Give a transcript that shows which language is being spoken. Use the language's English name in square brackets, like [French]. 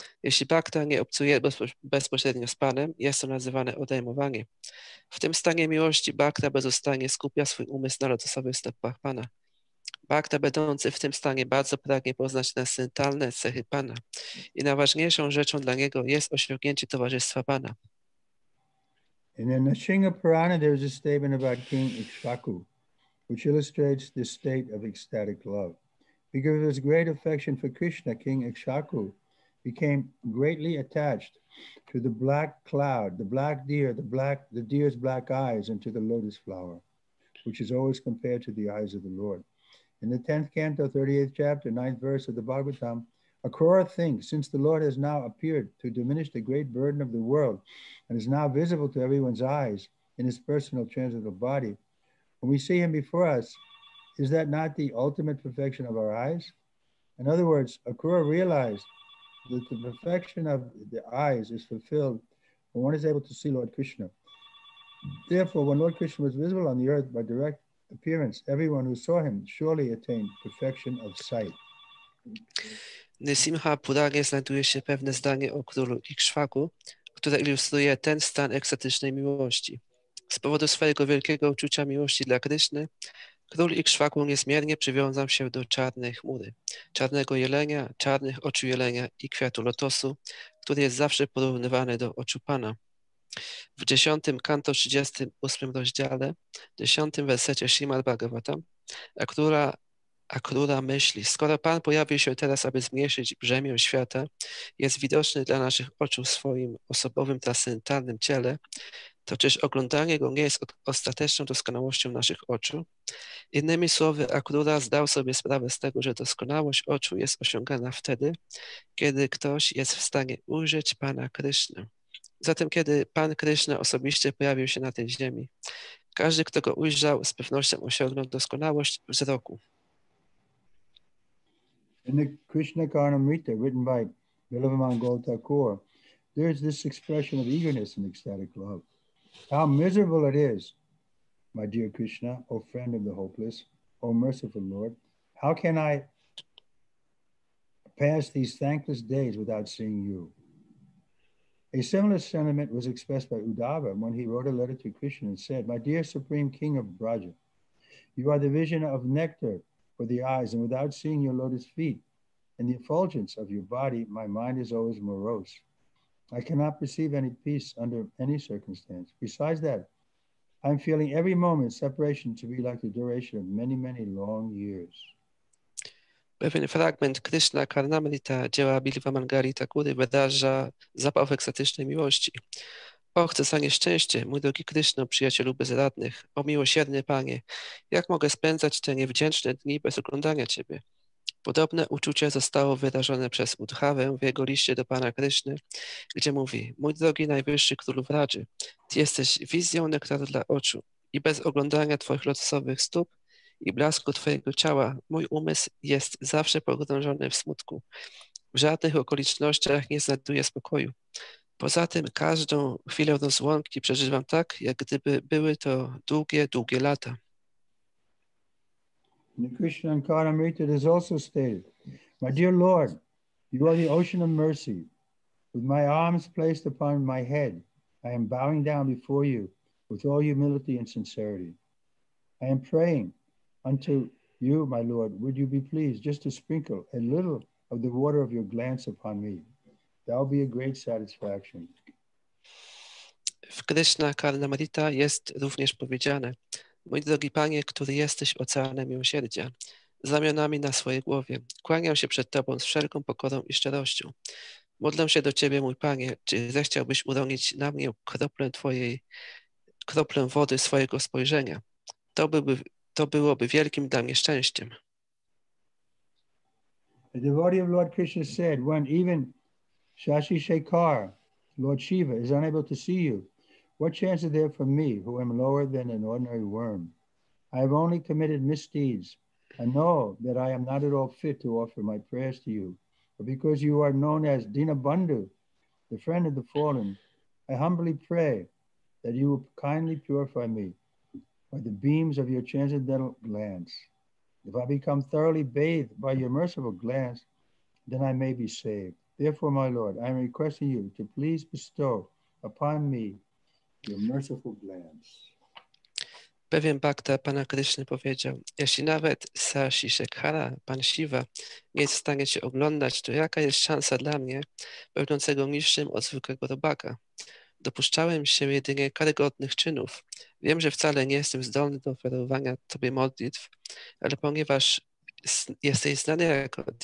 [Polish] Jeśli bhakta nie obcuje bezpośrednio z Panem, jest to nazywane odejmowanie. W tym stanie miłości bhakta bezustannie skupia swój umysł na lotosowych stopach Pana. Bhakta będący w tym stanie bardzo pragnie poznać transcendentalne cechy Pana i najważniejszą rzeczą dla niego jest osiągnięcie towarzystwa Pana. [English] In the Nrsimha Purana there is a statement about King Ikshvaku, which illustrates this state of ecstatic love. Because of his great affection for Krishna, King Ikshvaku became greatly attached to the black cloud, the black deer, the deer's black eyes, and to the lotus flower, which is always compared to the eyes of the Lord. In the 10th canto, 38th chapter, 9th verse of the Bhagavatam, Akura thinks, since the Lord has now appeared to diminish the great burden of the world and is now visible to everyone's eyes in his personal transcendental body, when we see him before us, is that not the ultimate perfection of our eyes? In other words, Akura realized that the perfection of the eyes is fulfilled when one is able to see Lord Krishna. Therefore, when Lord Krishna was visible on the earth by direct appearance, everyone who saw him surely attained perfection of sight. [Polish] Nrsimha Puranie znajduje się pewne zdanie o królu Ikshvaku, które ilustruje ten stan ekstatycznej miłości. Z powodu swojego wielkiego uczucia miłości dla Kryszny, król Ikshvaku niezmiernie przywiązał się do czarnej chmury, czarnego jelenia, czarnych oczu jelenia i kwiatu lotosu, który jest zawsze porównywany do oczu Pana. W 10. kanto 38. rozdziale, 10. wersecie Śrimad Bhagavatam, Akrura myśli, skoro Pan pojawił się teraz, aby zmniejszyć brzemię świata, jest widoczny dla naszych oczu w swoim osobowym, transcendentalnym ciele, to czyż oglądanie Go nie jest ostateczną doskonałością naszych oczu? Innymi słowy, Akrura zdał sobie sprawę z tego, że doskonałość oczu jest osiągana wtedy, kiedy ktoś jest w stanie ujrzeć Pana Krysznę. Zatem, kiedy Pan Kryszna osobiście pojawił się na tej ziemi, każdy, kto Go ujrzał, z pewnością osiągnął doskonałość wzroku. [English] In the Krishna Karnamrita, written by Vilavaman Goldthakur, there is this expression of eagerness and ecstatic love. How miserable it is, my dear Krishna, O friend of the hopeless, O merciful Lord, how can I pass these thankless days without seeing you? A similar sentiment was expressed by Uddhava when he wrote a letter to Krishna and said, my dear Supreme King of Braja, you are the vision of nectar for the eyes, and without seeing your lotus feet and the effulgence of your body, my mind is always morose. I cannot perceive any peace under any circumstance. Besides that, I'm feeling every moment separation to be like the duration of many, many long years. [Polish] Pewien fragment Krishna Karnamrita dzieła Bilwa Mangari Thakury wydarza zapał ekstatycznej miłości. O, chcę za nieszczęście, mój drogi Kryszno, przyjacielu bezradnych, o miłosierny Panie, jak mogę spędzać te niewdzięczne dni bez oglądania Ciebie? Podobne uczucie zostało wyrażone przez Udhawę w jego liście do Pana Kryszny, gdzie mówi: Mój drogi Najwyższy Królu Wraży, Ty jesteś wizją nektaru dla oczu i bez oglądania Twoich lotosowych stóp i blasku Twojego ciała mój umysł jest zawsze pogrążony w smutku. W żadnych okolicznościach nie znajduję spokoju. Poza tym każdą chwilę rozłąki przeżywam tak, jak gdyby były to długie, długie lata. [English] In the Krishna Karamrita, it is also stated, My dear Lord, you are the ocean of mercy. With my arms placed upon my head, I am bowing down before you with all humility and sincerity. I am praying unto you, my Lord, would you be pleased just to sprinkle a little of the water of your glance upon me? That will be a great satisfaction. [Polish] W Krishna Karnamrita jest również powiedziane: Mój drogi Panie, który jesteś oceanem miłosierdzia, z ramionami na swojej głowie, kłaniam się przed Tobą z wszelką pokorą i szczerością. Modlę się do Ciebie, mój Panie, czy zechciałbyś uronić na mnie kroplę Twojej, kroplę wody swojego spojrzenia? To byłoby wielkim dla mnie szczęściem. [English] The devotee of Lord Krishna said, when even Shashi Shekhar, Lord Shiva, is unable to see you, what chance is there for me, who am lower than an ordinary worm? I have only committed misdeeds. I know that I am not at all fit to offer my prayers to you. But because you are known as Dinabandhu, the friend of the fallen, I humbly pray that you will kindly purify me by the beams of your transcendental glance. If I become thoroughly bathed by your merciful glance, then I may be saved. Therefore, my Lord, I am requesting you to please bestow upon me your merciful glance. [Polish] Pewien bhakta Pana Kryszny powiedział: Jeśli nawet Shashi Shekhara, Pan Shiva, nie jest w stanie Cię oglądać, to jaka jest szansa dla mnie, będącego niższym od zwykłego robaka? Dopuszczałem się jedynie karygodnych czynów. Wiem, że wcale nie jestem zdolny do oferowania Tobie modlitw, ale ponieważ jesteś znany jako